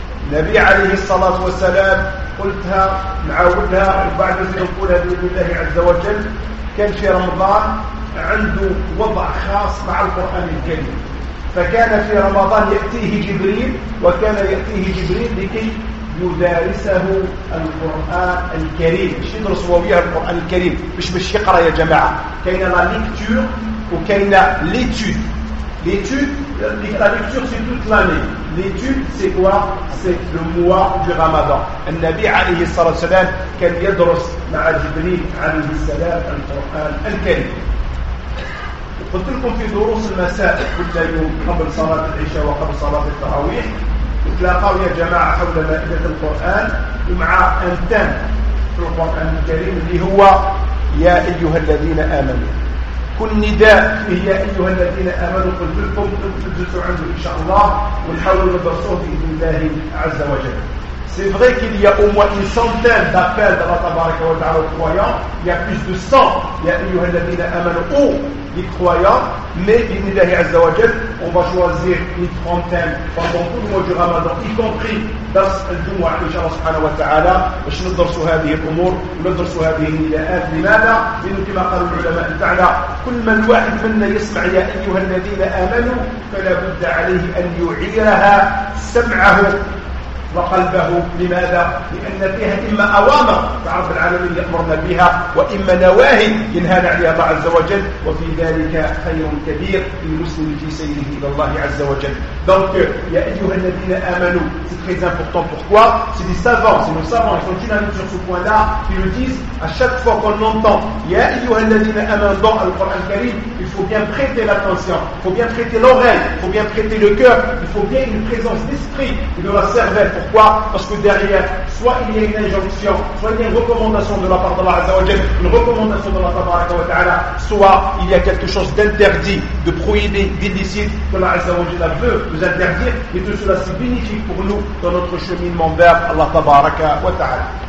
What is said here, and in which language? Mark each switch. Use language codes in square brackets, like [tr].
[ar] النبي عليه الصلاة والسلام قلتها نعاودها وبعد ذلك نقولها بإذن الله عز وجل، كان في رمضان عنده وضع خاص مع القرآن الكريم، فكان في رمضان يأتيه جبريل، وكان يأتيه جبريل لكي يدارسه القرآن الكريم، مش يدرس وياه القرآن الكريم، مش يقرأ يا جماعة، كاين لا ليكتور وكاين ليتود. [fr] L'étude, la lecture c'est toute l'année. L'étude c'est quoi? C'est le mois du Ramadan. [ar] Le Nabi alayhi salatu wa salam kan yadrus ma'a Jibril alayhi salam al-Qur'an al-Karim. قلت لكم في دروس المساء كل يوم قبل صلاة العشاء وقبل صلاة التراويح تلاقاو يا جماعة حول مائدة القرآن ومع أنتم في القرآن الكريم اللي هو يا أيها الذين آمنوا. كل نداء فيه يا أيها الذين آمنوا قلت لكم تدرسوا عنه إن شاء الله ونحاول ندرسوه بإذن الله عز وجل. [fr] C'est vrai qu'il y a au moins une centaine d'appels d'Allah Tabaraka wa Ta'ala aux croyants. Il y a plus de 100 [ar] يا أيها الذين آمنوا [fr] ou les croyants. [ar] Mais بإذن الله عز وجل [fr] on va choisir une trentaine pendant tout le mois du Ramadan, y compris [ar] درس الجمعة إن شاء الله سبحانه وتعالى، باش ندرسوا هذه الأمور وندرسوا هذه النداءات. لماذا؟ لأنه كما قال العلماء تعالى كل من واحد منا يسمع يا أيها الذين آمنوا فلا بد عليه أن يعيرها سمعه وقلبه. لماذا؟ لأن فيها إما أوامر رب العالمين يأمرنا بها وإما نواهي ينهانا عليها الله عز وجل، وفي ذلك خير كبير للمسلم في سيره إلى الله عز وجل. [fr] Donc, [ar] يا أيها الذين آمنوا، [fr] c'est très important. Pourquoi? C'est des savants, c'est nos savants. Ils sont dynamiques sur ce point-là. Ils le disent à chaque fois qu'on entend [ar] يا أيها الذين آمنوا [fr] dans le Coran Karim, il faut bien prêter l'attention, il faut bien prêter l'oreille, il faut bien prêter le cœur, il faut bien une présence d'esprit et de la cervelle. Pourquoi? Parce que derrière, soit il y a une injonction, soit il y a une recommandation de la part d'Allah Azza wa Jal, une recommandation de la part d'Allah Azza wa Ta'ala, soit il y a quelque chose d'interdit, de prohibé, d'illicite, que Allah Azza wa Jal veut nous interdire, et tout cela c'est bénéfique pour nous dans notre cheminement vers Allah Tabaraka wa Ta'ala.